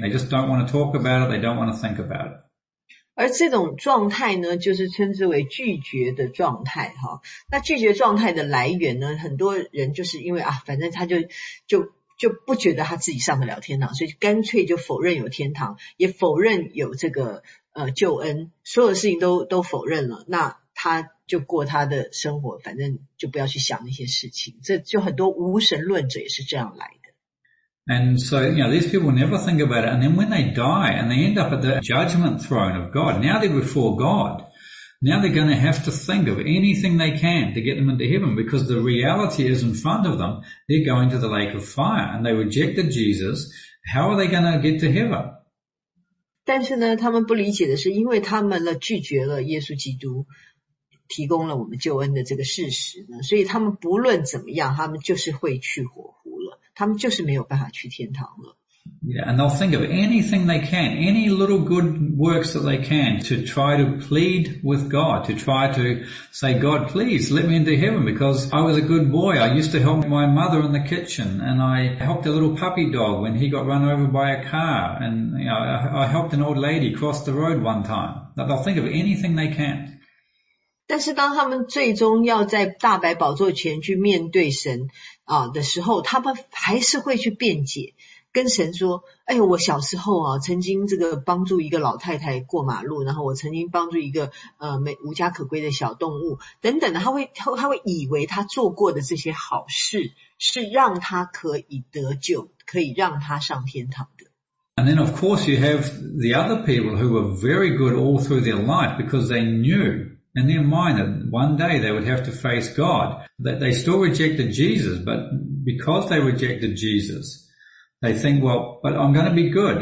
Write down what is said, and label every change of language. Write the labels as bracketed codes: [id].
[en] They just don't want to talk about it, they don't want to think about it. [zh] 而这种状态呢，就是称之为拒绝的状态哈。那拒绝状态的来源呢，很多人就是因为啊，反正他就不觉得他自己上得了天堂，所以干脆就否认有天堂，也否认有这个救恩，所有事情都否认了。那他就过他的生活，反正就不要去想那些事情。这就很多无神论者也是这样来的。 [en] And so, you know, these people never think about it. And then when they die and they end up at the judgment throne of God, now they're before God, Now they're going to have to think of anything they can to get them into heaven, because the reality is in front of them. They're going to the lake of fire and they rejected Jesus. How are they going to get to heaven? [zh] 但是呢，他们不理解的是，因为他们呢拒绝了耶稣基督提供了我们救恩的这个事实呢，所以他们不论怎么样，他们就是会去火湖了，他们就是没有办法去天堂了。 [en] Yeah, and they'll think of anything they can, any little good works that they can to try to plead with God, to try to say, God, please let me into heaven because I was a good boy. I used to help my mother in the kitchen and I helped a little puppy dog when he got run over by a car. And you know, I helped an old lady cross the road one time. They'll think of anything they can. [zh] 但是当他们最终要在大白宝座前去面对神的时候，他们还是会去辩解。跟神说，哎呦，我小时候啊，曾经这个帮助一个老太太过马路，然后我曾经帮助一个无家可归的小动物等等的，他会以为他做过的这些好事是让他可以得救，可以让他上天堂的。 [en] And then of course you have the other people who were very good all through their life because they knew in their mind that one day they would have to face God, that they still rejected Jesus, but because they rejected Jesus,They think, well, but I'm going to be good.